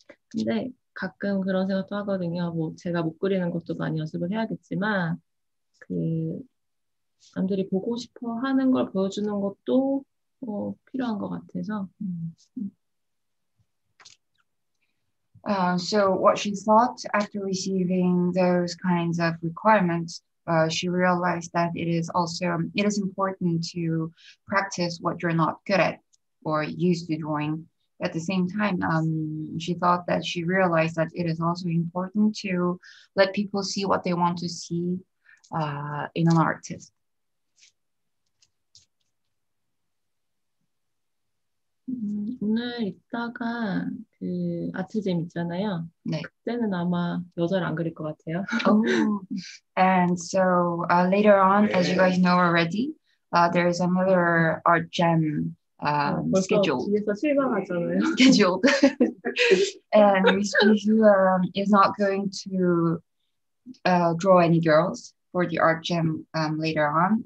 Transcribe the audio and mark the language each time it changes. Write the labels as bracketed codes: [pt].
[ko] 근데 가끔 그런 생각도 하거든요. 뭐 제가 못 그리는 것도 많이 연습을 해야겠지만 그 남들이 보고 싶어 하는 걸 보여주는 것도 필요한 것 같아서. [en] So what she thought after receiving those kinds of requirements, she realized that it is important to practice what you're not good at or used to drawing. At the same time, she thought that she realized that it is also important to let people see what they want to see in an artist. [ko] 오늘 이따가 그 아트잼 있잖아요. 네. 그때는 아마 여자를 안 그릴 것 같아요. Oh. [en] And so later on, as you guys know already, there is another art jam. Scheduled. And Miss Jisoo is not going to draw any girls for the art gym later on.